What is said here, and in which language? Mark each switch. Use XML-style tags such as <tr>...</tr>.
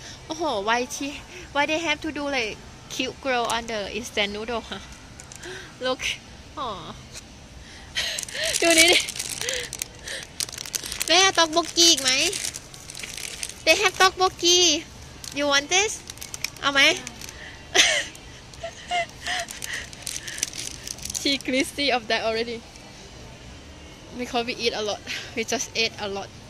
<en>Oh, why they have to do like cute girl on the instant noodle, huh? Look, oh,</en> <th>ดูนี่ดิแม่ต๊อกโบกี้อีกไหม</th> <en>They have ต๊อกโบกี้ You want this?</en> <th>เอาไหม</th> <en>She greasy of that already Because we eat a lot We just ate a lot</en>